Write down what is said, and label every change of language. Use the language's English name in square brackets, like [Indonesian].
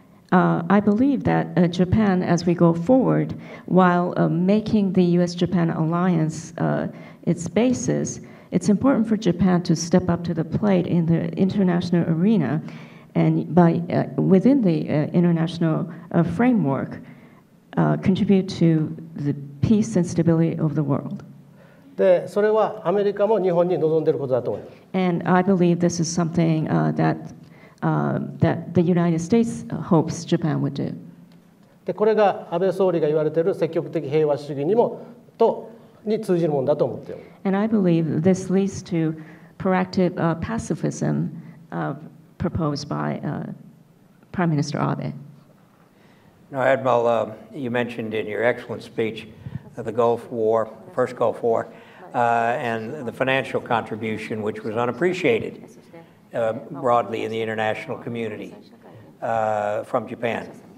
[English] I believe that Japan, as we go forward, while making the U.S.-Japan alliance its basis, it's important for Japan to step up to the plate in the international arena, and by within the international framework, contribute to the peace and stability of the world. [Japanese] で、それはアメリカも日本に望んでいることだと思います。 [English] And I believe this is something that that the United States hopes Japan would do. [Japanese] で、これが安倍総理が言われている積極的平和主義にもとに通じるものだと思っています。 [English] And I believe this leads to proactive pacifism proposed by Prime Minister Abe. Now, Admiral, you mentioned in your excellent speech the Gulf War, first Gulf War, and the financial contribution, which was unappreciated broadly in the international community from Japan.